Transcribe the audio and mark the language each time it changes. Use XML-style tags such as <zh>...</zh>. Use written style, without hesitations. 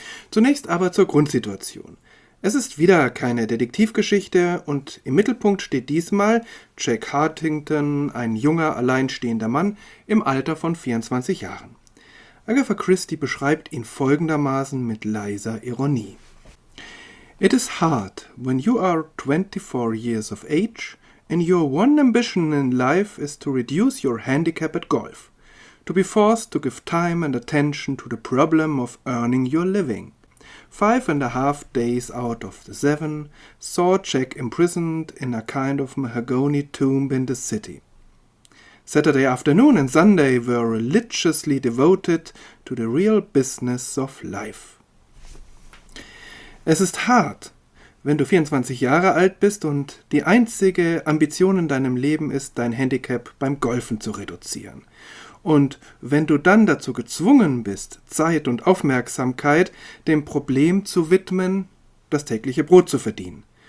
<de>Zunächst aber zur Grundsituation. Es ist wieder keine Detektivgeschichte und im Mittelpunkt steht diesmal Jack Hartington, ein junger, alleinstehender Mann im Alter von 24 Jahren. Agatha Christie beschreibt ihn folgendermaßen mit leiser Ironie.</de> <en>It is hard when you are 24 years of age and your one ambition in life is to reduce your handicap at golf, to be forced to give time and attention to the problem of earning your living. 5.5 days out of the 7 saw Jack imprisoned in a kind of mahogany tomb in the city. Saturday afternoon and Sunday were religiously devoted to the real business of life.</en> <de>Es ist hart, wenn du 24 Jahre alt bist und die einzige Ambition in deinem Leben ist, dein Handicap beim Golfen zu reduzieren. Und wenn du dann dazu gezwungen bist, Zeit und Aufmerksamkeit dem Problem zu widmen, das tägliche Brot zu verdienen.</de>